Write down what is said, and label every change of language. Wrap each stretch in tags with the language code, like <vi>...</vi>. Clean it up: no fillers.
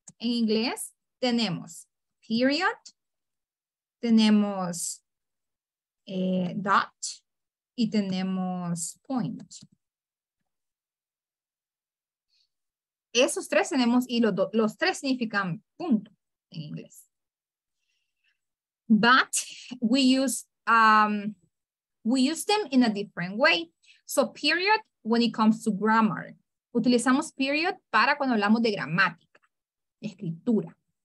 <es>En inglés tenemos period, tenemos dot, y tenemos point. Esos tres tenemos, y los tres significan punto en inglés.</es> <en>But we use them in a different way. So period when it comes to grammar.</en> <es>Utilizamos period para cuando hablamos de gramática, de escritura.</es>